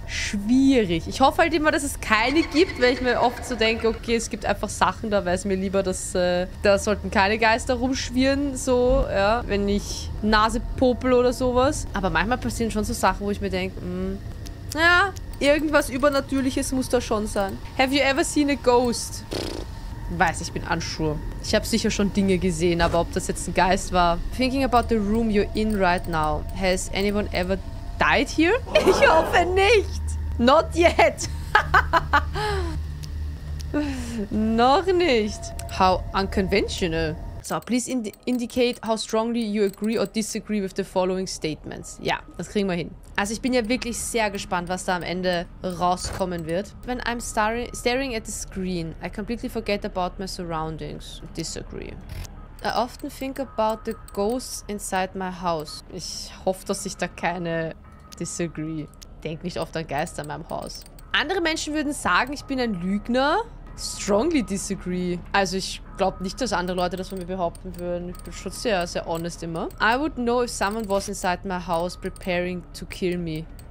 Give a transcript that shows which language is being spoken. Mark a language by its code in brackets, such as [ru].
[de] Schwierig. Ich hoffe halt immer, dass es keine gibt, weil ich mir oft so denke, okay, es gibt einfach Sachen, da weiß mir lieber, dass da sollten keine Geister rumschwirren, so, ja, wenn ich Nase popel oder sowas. Aber manchmal passieren schon so Sachen, wo ich mir denke, ja, irgendwas Übernatürliches muss da schon sein. [en] Have you ever seen a ghost? [de] Weiß, ich bin [en] unsure. [de] Ich habe sicher schon Dinge gesehen, aber ob das jetzt ein Geist war. [en] Thinking about the room you're in right now. Has anyone ever died here? [de] Ich hoffe nicht. [en] Not yet. [de] Noch nicht. [en] How unconventional. so, please indicate how strongly you agree or disagree with the following statements. [de] Ja, das kriegen wir hin. Also ich bin ja wirklich sehr gespannt, was da am Ende rauskommen wird. [en] When I'm staring at the screen, I completely forget about my surroundings. Disagree. I often think about the ghosts inside my house. [de] Ich hoffe, dass ich da keine disagree. Denk nicht oft an Geister in meinem Haus. Andere Menschen würden sagen, ich bin ein Lügner. [en] Strongly disagree. [de] Also ich glaube nicht, dass andere Leute das von mir behaupten würden. Ich bin schon sehr, sehr honest immer. [en] I would know if someone was inside my house preparing to kill me.